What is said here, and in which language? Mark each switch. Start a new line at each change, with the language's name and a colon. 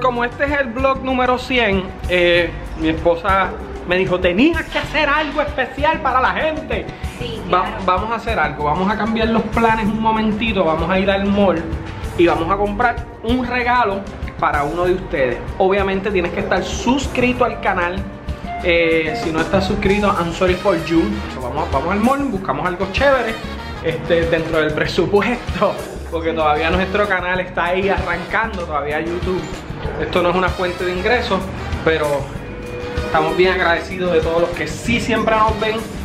Spanish: Como este es el blog número 100, mi esposa me dijo, tenías que hacer algo especial para la gente. Sí, claro. Vamos a hacer algo, vamos a cambiar los planes un momentito. Vamos a ir al mall y vamos a comprar un regalo para uno de ustedes. Obviamente tienes que estar suscrito al canal. Si no estás suscrito,
English: I'm sorry for you.
Spanish: So vamos al mall, buscamos algo chévere dentro del presupuesto. Porque todavía nuestro canal está ahí arrancando, todavía YouTube. Esto no es una fuente de ingresos, pero estamos bien agradecidos de todos los que sí siempre nos ven.